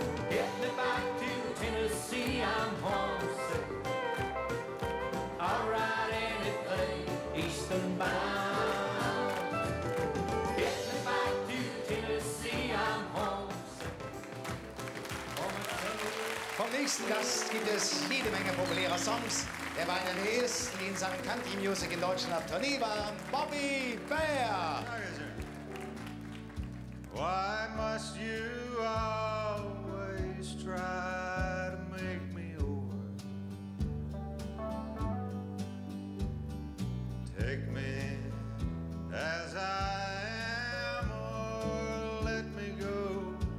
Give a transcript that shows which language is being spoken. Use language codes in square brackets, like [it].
[en] Get me back to Tennessee, I'm homesick. I'll ride anything east and bound. Get me back to Tennessee, I'm homesick for my sunny. [de] Vom nächsten Gast gibt es jede Menge populärer Songs. der bei einem Hesten in Sachen Country Music in Deutschland auf Tournee war, Bobby Bear. [en] Why must you always try to make me over? Take me as I am or let me go.